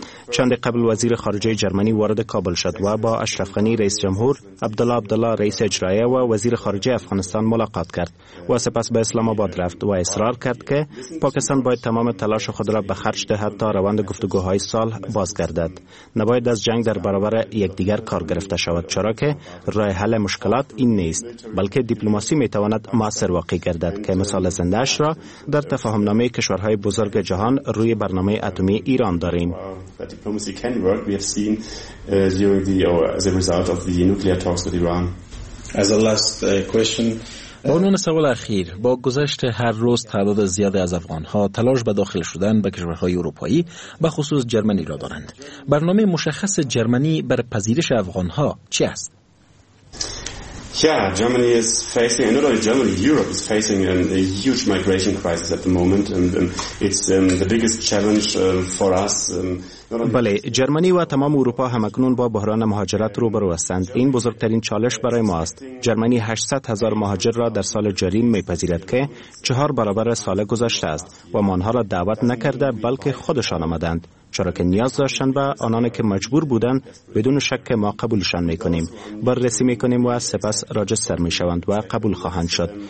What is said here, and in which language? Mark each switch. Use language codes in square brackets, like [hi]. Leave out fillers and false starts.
[fa] چند قبل وزیر خارجه جرمنی وارد کابل شد و با اشرف غنی رئیس جمهور، عبدالله عبدالله رئیس اجرایه و وزیر خارجه افغانستان ملاقات کرد و سپس به اسلام آباد رفت و اصرار کرد که پاکستان باید تمام تلاش خود را به خرج دهد تا روند گفتگوهای صلح بازگردد. نباید از جنگ در برابر یکدیگر کار گرفته شود، چرا که راه حل مشکلات این نیست، بلکه دیپلماسی می تواند مؤثر واقع گردد که مثال زنده اش را در تفاهم نامه کشورهای بزرگ جهان روی برنامه اتمی ایران داریم. [en] Diplomacy can work, we have seen during the or as a result of the nuclear talks with Iran. As a last question. [fa] با عنوان سوال اخیر، با گذشت هر روز تعداد زیادی از افغانها تلاش به داخل شدن به کشورهای اروپایی به خصوص جرمنی را دارند. برنامه مشخص جرمنی بر پذیرش افغانها چی است؟ [en] Yeah, Germany is facing, and not only Germany, Europe is facing a huge migration crisis at the moment, and it's the biggest challenge for us. [fa] بله، جرمنی و تمام اروپا همکنون با بحران مهاجرت روبرو هستند. این بزرگترین چالش برای ما است. جرمنی 800 هزار مهاجر را در سال جاری میپذیرد که چهار برابر سال گذشته است و ما آنها را دعوت نکرده بلکه خودشان آمدند. چرا که نیاز داشتن و آنانی که مجبور بودند بدون شک ما قبولشان میکنیم، بررسی میکنیم و سپس راجستر میشوند و قبول خواهند شد.